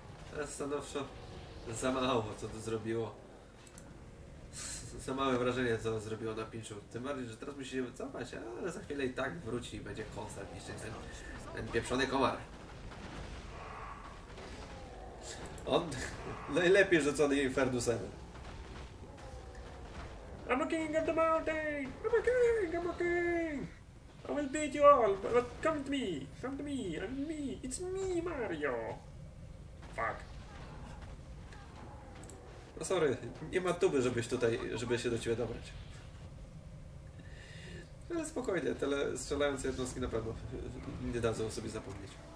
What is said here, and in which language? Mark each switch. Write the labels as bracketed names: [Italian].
[Polish] Teraz stanowczo za mało co to zrobiło. Za małe wrażenie, co zrobiło na Pinchu. Tym bardziej, że teraz musi się wycofać, ale za chwilę i tak wróci i będzie konstant niszczyć ten pieprzony komar. On najlepiej rzucony Infernusem. [English] I'm a king of the mountain! I'm a king! I will beat you all, but come to me, I'm me, it's me, Mario! Fuck. [Polish] No sorry, nie ma tuby, żeby się do ciebie dobrać. Ale spokojnie, tyle strzelające jednostki na pewno nie dadzą sobie zapomnieć.